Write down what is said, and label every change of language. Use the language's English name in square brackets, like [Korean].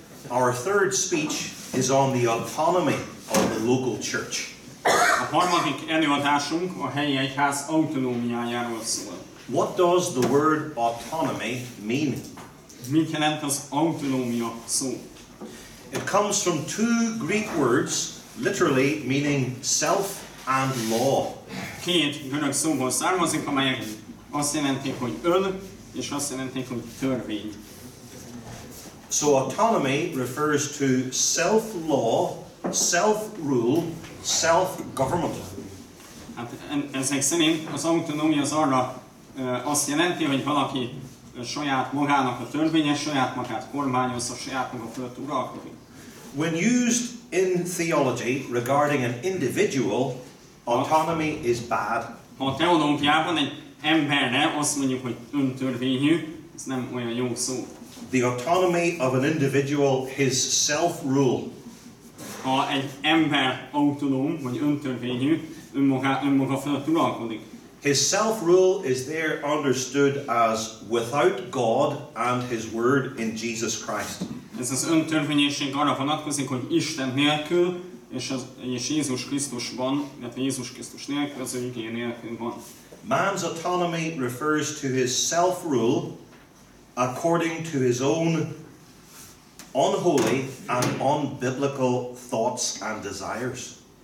[English] Our third speech is on the autonomy of the local church. [Hungarian] A harmadik előadásunk a helyi egyház autonómiájáról szól. [English] What does the word autonomy mean? [Hungarian] Mit jelent az autonómia szó? [English] It comes from two Greek words, literally meaning self and law. [Hungarian] Két görög szóval származik, amelyek azt jelentik, hogy ön, és azt jelentik, hogy törvény. [English] So autonomy refers to self-law, self-rule, self-government. [Hungarian] Hát ezek szerint az autonómia az arra azt jelenti, hogy valaki saját magának a törvénye, saját magát kormányozza, saját maga fölött uralkodik. [English] When used in theology regarding an individual, autonomy is bad. [Hungarian] Ha a teológiában egy emberre azt mondjuk, hogy öntörvényű, ez nem olyan jó szó. [English] The autonomy of an individual, his self-rule. [Hungarian] Ha egy ember autonóm, vagy öntörvényű, önmaga fölött uralkodik. [English] His self-rule is there understood as without God and his word in Jesus Christ. [Hungarian] Ez az öntörvényesség arra vonatkozik, hogy Isten nélkül, és Jézus Krisztusban, illetve Jézus Krisztus nélkül, az ő igény nélkül van. [English] Man's autonomy refers to his self-rule, according to his own unholy and unbiblical thoughts and desires.